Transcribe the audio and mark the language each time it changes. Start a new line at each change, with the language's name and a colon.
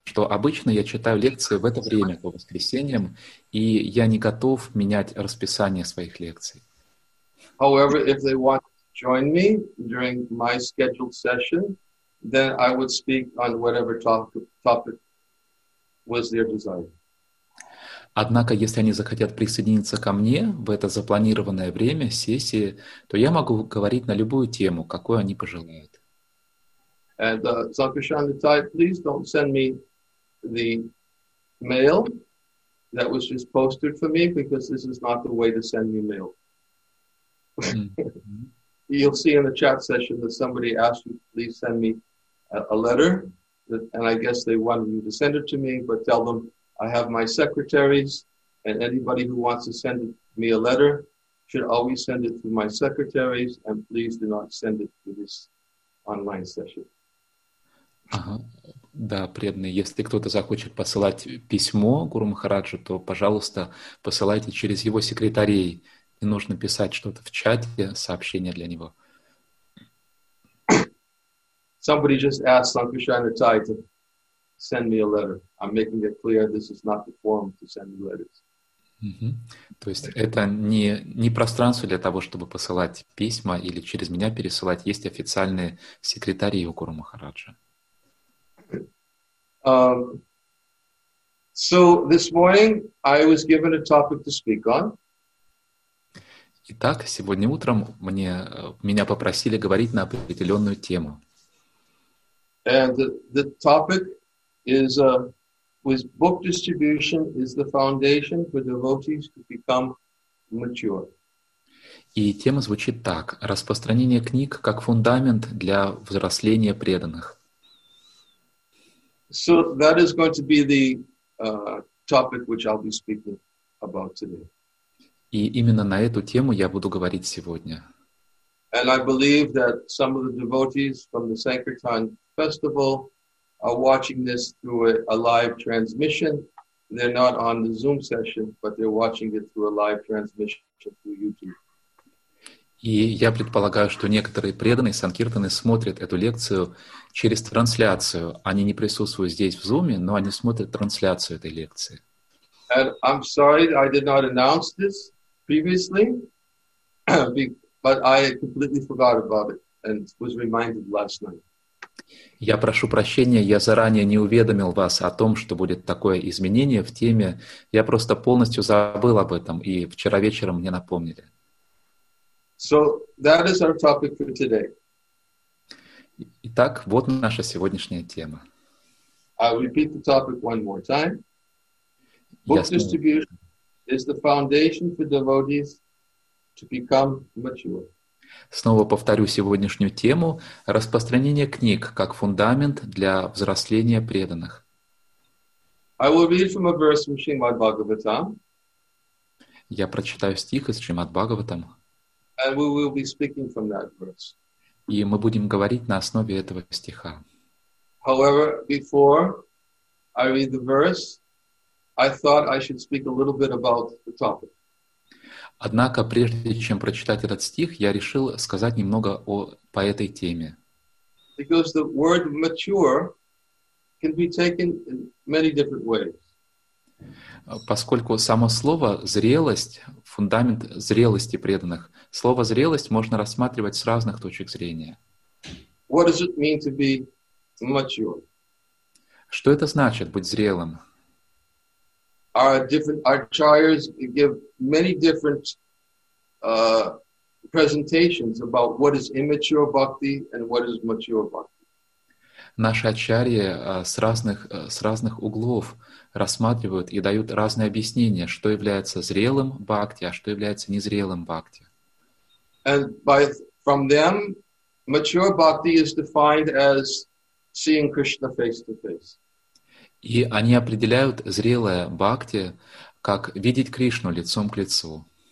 Russian: что обычно я читаю лекции в это время, по воскресеньям, и я не готов менять расписание своих лекций.
English: However, if they want to join me during my scheduled session, then I would speak on whatever topic was their desire.
Russian: Однако, если они захотят присоединиться ко мне в это запланированное время сессии, то я могу говорить на любую тему, какую они пожелают.
English: And Sankarshana Thai, please don't send me the mail that was just posted for me, because this is not the way to send me mail. Mm-hmm. You'll see in the chat session that somebody asked you to please send me a letter, that, and I guess they wanted you to send it to me, but tell them I have my secretaries, and anybody who wants to send me a letter should always send it through my secretaries, and please do not send it through this online session. Ага.
Russian: Да, преданные, если кто-то захочет посылать письмо Гуру Махараджу, то, пожалуйста, посылайте через его секретарей. Не нужно писать что-то в чате, сообщение для него.
English: Somebody just asked Sankarshana Thai to send me a letter. I'm making it clear this is not the forum to send letters. Mm-hmm.
Russian: То есть это не пространство для того, чтобы посылать письма или через меня пересылать. Есть официальные секретари у Гуру Махараджа.
English: So this morning I was given a topic to speak on.
Russian: Итак, сегодня утром меня попросили говорить на определенную тему.
English: And the topic is with book distribution is the foundation for devotees to become mature.
Russian: И тема звучит так: распространение книг как фундамент для взросления преданных.
English: So that is going to be the topic which I'll be speaking about today.
Russian: И именно на эту тему я буду говорить сегодня.
English: And I believe that some of the devotees from the Sankirtan festival are watching this through a live transmission. They're not on the Zoom session, but they're watching it through a live transmission through YouTube.
Russian: И я предполагаю, что некоторые преданные санкиртаны смотрят эту лекцию через трансляцию. Они не присутствуют здесь в Zoom, но они смотрят трансляцию этой лекции.
English: And I'm sorry I did not announce this previously, but I completely forgot about it and was reminded last night.
Russian: Я прошу прощения, я заранее не уведомил вас о том, что будет такое изменение в теме. Я просто полностью забыл об этом, и вчера вечером мне напомнили.
English: So that is our topic for today.
Russian: Итак, вот наша сегодняшняя тема.
English: I'll repeat the topic one more time. Book distribution is the foundation for devotees to become mature.
Russian: Снова повторю сегодняшнюю тему: распространение книг как фундамент для взросления преданных.
English: I will read from a verse from Srimad Bhagavatam.
Russian: Я прочитаю стих из Шримад Бхагаватам.
English: And we will be speaking from that verse.
Russian: И мы будем говорить на основе этого стиха.
English: However, before I read the verse, I thought I should speak a little bit about the topic.
Russian: Однако, прежде чем прочитать этот стих, я решил сказать немного по этой теме.
English: Because the word mature can be taken in many different ways.
Russian: Поскольку само слово «зрелость», фундамент зрелости преданных, слово «зрелость» можно рассматривать с разных точек зрения.
English: What does it mean to be mature?
Russian: Что это значит быть зрелым?
English: Our acharyas give many different presentations about what is immature bhakti and what is mature bhakti.
Russian: Наши ачарьи с разных углов рассматривают и дают разные объяснения, что является зрелым бхакти, а что является незрелым бхакти.
English: And by from them, mature bhakti is defined as seeing Krishna face to face.
Russian: И они определяют зрелое бхакти как видеть Кришну лицом к лицу.